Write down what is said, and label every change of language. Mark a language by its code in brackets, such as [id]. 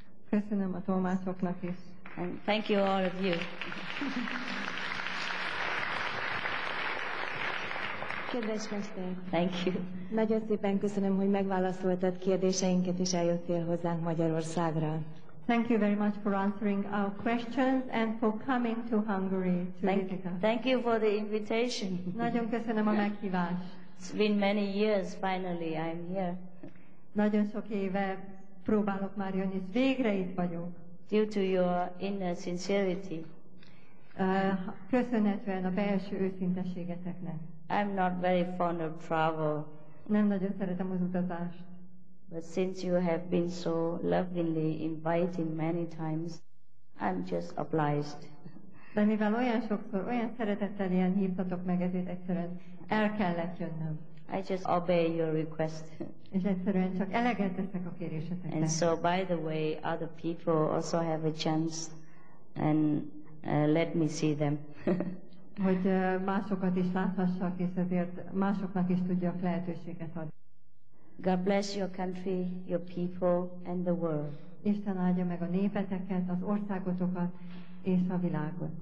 [hu] Köszönöm a tolmácsoknak is. [en] And thank you all of you. [hu] Kedves mester! [en] Thank you. [hu] Nagyon szépen köszönöm, hogy megválaszoltad kérdéseinket és eljöttél hozzánk Magyarországra. [en] Thank you very much for answering our questions and for coming to Hungary to visit us. Thank you for the invitation. [hu] Nagyon köszönöm a meghívást. [en] It's been many years, finally I'm here. [hu] Nagyon sok éve próbálok már jönni, és végre itt vagyok. [en] Due to your inner sincerity. [hu] Köszönhetően a belső őszinteségeteknek. [en] I'm not very fond of travel. [hu] Nem nagyon szeretem az utazást. [en] But since you have been so lovingly inviting many times, I'm just obliged. [hu] De mivel olyan sokszor, olyan szeretettel ilyen hívtatok meg, ezért egyszerűen el kellett jönnöm. [en] I just obey your request. [hu] És egyszerűen csak eleget teszek a kérésetekre. [en] And so, by the way, other people also have a chance, and let me see them. [hu] Hogy másokat is láthassak, és ezért másoknak is tudjak lehetőséget adni. [en] God bless your country, your people, and the world. [hu] Isten áldja meg a népeteket, az országotokat, és a világot.